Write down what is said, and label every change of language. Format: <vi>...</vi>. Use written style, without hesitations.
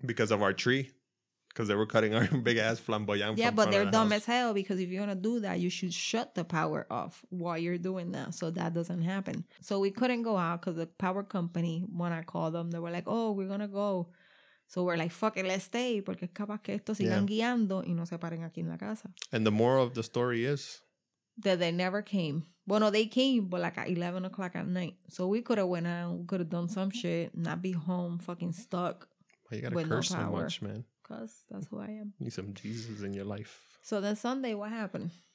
<en>Because of our tree. Because they were cutting our big-ass flamboyant yeah, from yeah, but they're the dumb house. As hell, because if you're going to do that, you should shut the power off while you're doing that, so that doesn't happen. So we couldn't go out, because the power company, when I called them, they were like, oh, we're going to go... So we're like, fuck it, let's stay.</en> <es>Porque es capaz que estos sigan guiando y no se paren aquí en la casa.</es> <en>And the moral of the story is? That they never came. Well, no, they came, but like at 11 o'clock at night. So we could have went out, could have done some shit, not be home, fucking stuck. Why you gotta curse so much, man? Because that's who I am. Need some Jesus in your life. So then Sunday, what happened?</en>